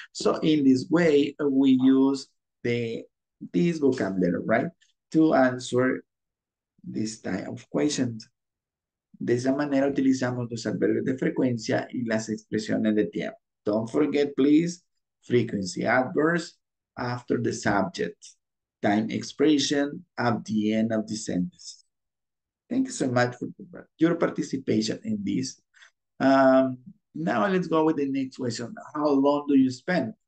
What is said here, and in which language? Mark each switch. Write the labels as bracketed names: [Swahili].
[English] So in this way, we use this vocabulary, right? To answer this type of questions. [Spanish] De esa manera utilizamos los adverbios de frecuencia y las expresiones de tiempo. [English] Don't forget, please, frequency adverbs after the subject. Time expression at the end of the sentence. Thank you so much for your participation in this. Now let's go with the next question. How long do you spend?